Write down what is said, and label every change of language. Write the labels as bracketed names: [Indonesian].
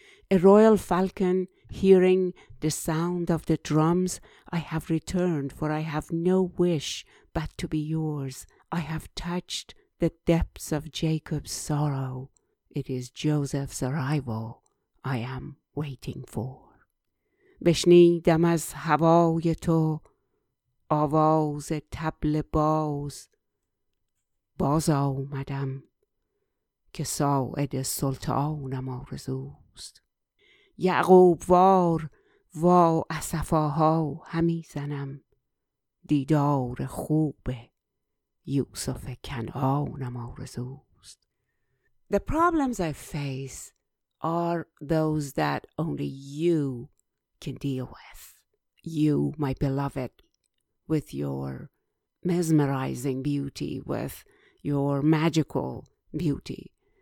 [English] A royal falcon hearing the sound of the drums, I have returned, for I have no wish but to be yours. I have touched the depths of Jacob's sorrow. It is Joseph's arrival I am waiting for. [Persian] بشنیدم از هوای تو آواز طبل باز، باز آمدم که ساعد سلطانم آرزوست. یعقوب وار وا اسفاها همی زنم، دیدار خوب یوسف کنعانم آرزوست. [English] The problems I face are those that only you can deal with. You, my beloved, with your mesmerizing beauty, with your magical beauty.